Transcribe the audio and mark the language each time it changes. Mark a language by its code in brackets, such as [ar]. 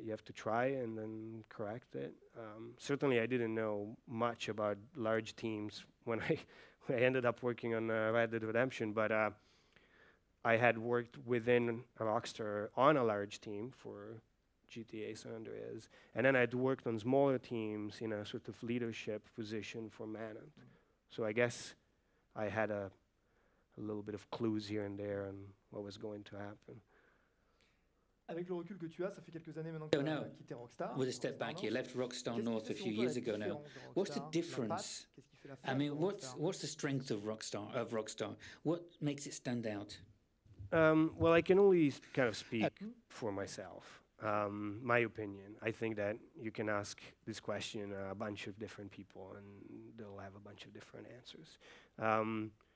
[en] You have to try and then correct it. Certainly, I didn't know much about large teams when I ended up working on Red Dead Redemption, but I had worked within Rockstar on a large team for GTA San Andreas. And then I'd worked on smaller teams in a sort of leadership position for Manant. So I guess I had a little bit of clues here and there on what was going to happen. [fr] Avec le recul que tu as, ça fait quelques années maintenant que tu as quitté Rockstar. [en] With a step back, you left Rockstar North a few years ago now. What's the difference? I mean, what's the strength of Rockstar? What makes it stand out? Well, I can only kind of speak for myself, my opinion. I think that you can ask this question a bunch of different people and they'll have a bunch of different answers.